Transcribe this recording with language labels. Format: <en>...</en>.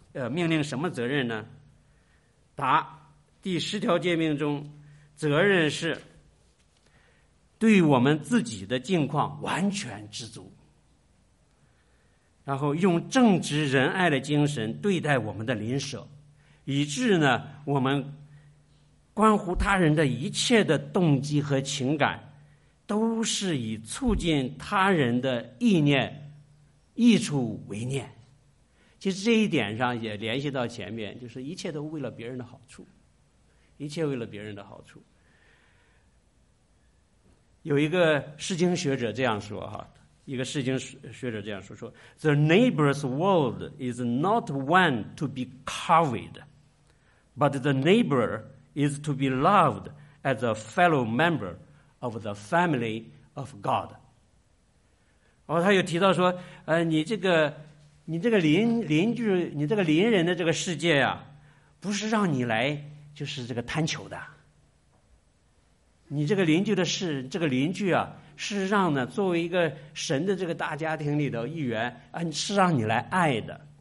<zh>命令什么责任呢？答：第十条诫命中，责任是对我们自己的境况完全知足，然后用正直仁爱的精神对待我们的邻舍，以致呢，我们关乎他人的一切的动机和情感，都是以促进他人的意念、益处为念。其实这一点上也联系到前面，就是一切都为了别人的好处，一切为了别人的好处。有一个释经学者这样说哈，一个释经学者这样说，说</zh> <en>The neighbor's world is not one to be coveted, but the neighbor is to be loved as a fellow member of the family of God。</en> <zh>然后他又提到说，你这个邻人的这个世界啊，不是让你来就是这个贪求的。你这个邻居的事，这个邻居啊，是让呢作为一个神的这个大家庭里的一员啊，是让你来爱的。</zh>